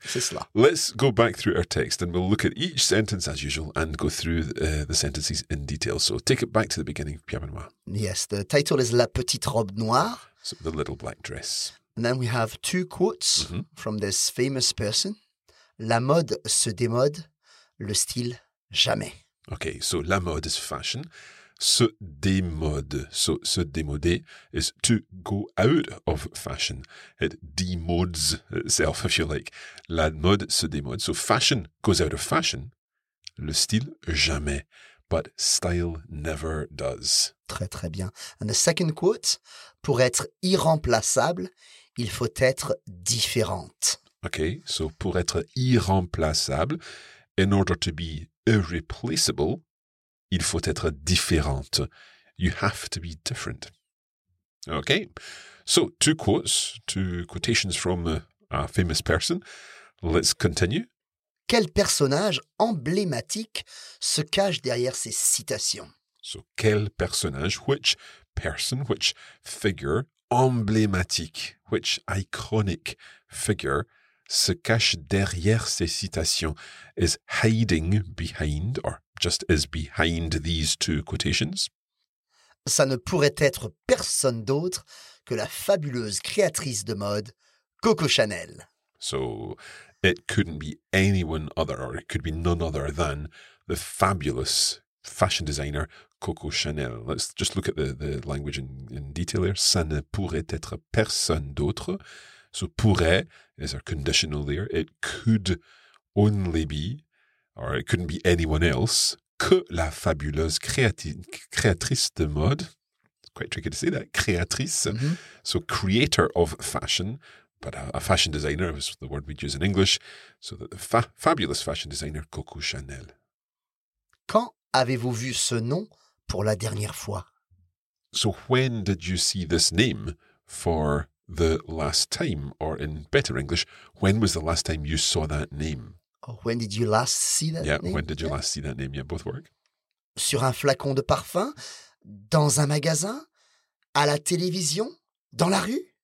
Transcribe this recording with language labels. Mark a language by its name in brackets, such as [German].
[French] C'est cela. [English] Let's go back through our text and we'll look at each sentence as usual and go through the sentences in detail. So take it back to the beginning, Pierre-Benoît. Yes, the title is La Petite Robe Noire. So the Little Black Dress. And then we have two quotes from this famous person. [French] La mode se démode, le style jamais. [English] Okay, so [French] la mode [English] is fashion. [French] se démode. [English] So, [French] se démoder [English] is to go out of fashion. It demodes itself, if you like. [French] La mode se démode. [English] So, fashion goes out of fashion. [French] Le style, jamais. [English] But style never does. [French] Très, très bien. [English] And the second quote, [French] pour être irremplaçable, il faut être différente. [English] Okay, so [French] pour être irremplaçable, [English] in order to be irreplaceable, [French] il faut être différente. [English] You have to be different. Okay, so two quotations from a famous person. Let's continue. [French] Quel personnage emblématique se cache derrière ces citations? [English] So, [French] quel personnage, [English] which person, which figure, [French] emblématique, [English] which iconic figure, [French] se cache derrière ces citations, [English] is hiding behind, or just is behind these two quotations? [French] Ça ne pourrait être personne d'autre que la fabuleuse créatrice de mode, Coco Chanel. [English] So, it couldn't be anyone other, or it could be none other than the fabulous fashion designer Coco Chanel. Let's just look at the language in detail here. [French] Ça ne pourrait être personne d'autre. [English] So, pourrait is a conditional there. It could only be, or it couldn't be anyone else, [French] que la fabuleuse créatrice de mode. [English] It's quite tricky to say that. Créatrice. Mm-hmm. So, creator of fashion. But a fashion designer is the word we'd use in English. So that the fabulous fashion designer Coco Chanel. [French] Quand avez-vous vu ce nom pour la dernière fois? [English] So when did you see this name for the last time? Or in better English, when was the last time you saw that name? Oh, when did you last see that yeah, name? Yeah, when did you last see that name? Yeah, both work. [French] Sur un flacon de parfum? Dans un magasin? À la télévision? Dans la rue?